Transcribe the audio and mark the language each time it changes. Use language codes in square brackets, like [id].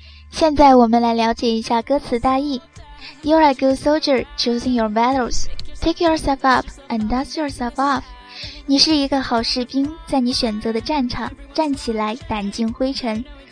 [zh] 现在我们来了解一下歌词大意。 [en] You're a good soldier, choosing your battles. Pick yourself up and dust yourself off. [zh] 你是一个好士兵，在你选择的战场站起来，掸净灰尘。